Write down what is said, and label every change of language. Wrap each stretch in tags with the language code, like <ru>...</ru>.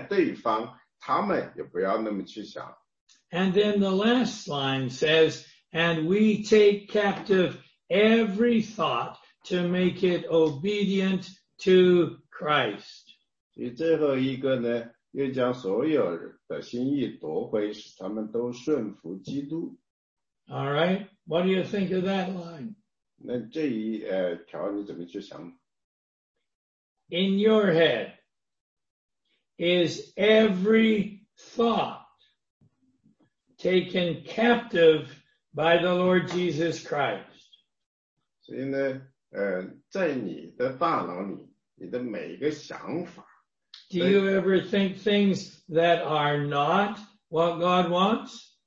<zh>因为当那有分歧的时候,我们不要用这个属世界属血气的方式去想,我们同样也要去告诉那对方,他们也不要那么去想。</zh> <en>And then the last line says, And we take captive every thought to make it obedient to Christ.</en> <zh>最后一个呢,又将所有的心意夺回,使他们都顺服基督。</zh> <en>All right, what do you think of that line?</en> <zh>那这一条你怎么去想?</zh> <en>In your head, is every thought taken captive by the Lord Jesus Christ.</en> <zh>所以呢,在你的大脑里,你的每一个想法,</zh> <en>Do you ever think things that are not what God wants?</en>